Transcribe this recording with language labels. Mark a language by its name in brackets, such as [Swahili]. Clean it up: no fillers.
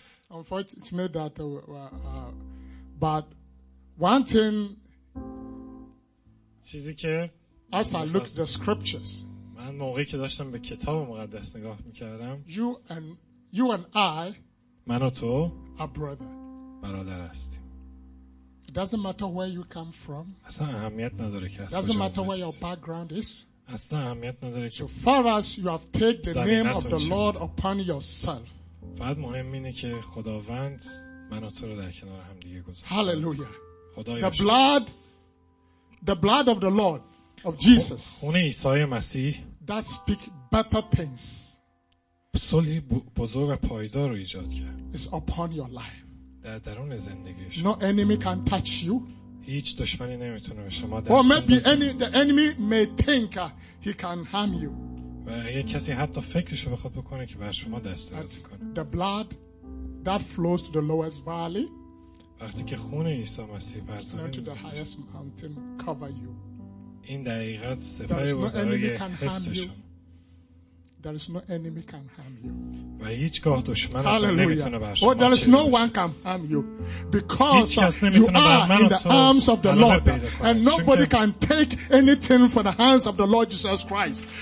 [English] They don't know what it is. It's just Mafi. Yeah, I'm unfortunate that but one thing, as I look at the scriptures, [Persian] من موقعی که داشتم به کتاب مقدس نگاه میکردم, [English] you and I, [Persian] من و تو, [English] a brother, [Persian] برادر هستیم. [English] It doesn't matter where you come from. [Persian] اصلا اهمیت نداره که از کجا. [English] Doesn't matter where your background is. [Persian] اصلا اهمیت نداره که. [English] So far as you have taken the name of the Lord upon yourself. [Persian] فقط مهم اینه که خداوند من و تو رو در کنار هم دیگه گذاشت. [English] Hallelujah. [Persian] خدایا. [English] The blood of the Lord of Jesus. [Persian] خون عیسی مسیح. [English] That speak better things. [Persian] صلح بزرگ و پایدار رو ایجاد کرد. [English] It's upon your life. [Persian] در درون زندگی شما. [English] No enemy can touch you. [Persian] هیچ دشمنی نمیتونه به شما دست. [English] Or maybe the enemy may think he can harm you. [Persian] و اگه کسی حتی فکرش رو بخواد بکنه که بر شما دست درازی کنه. [English] The blood that flows to the lowest valley. [Persian] وقتی که خون عیسی مسیح بر زمین. [English] Not to the highest mountain cover you. [Persian] این دقیقاً سپاهی و برای حفظ شما. [English] There is no enemy can harm you. [Persian] و هیچگاه دشمن تو نمیتونه بر شما. [English] Oh, there is no one can harm you because you are in the arms of the Lord, and nobody can take anything from the hands of the Lord Jesus Christ.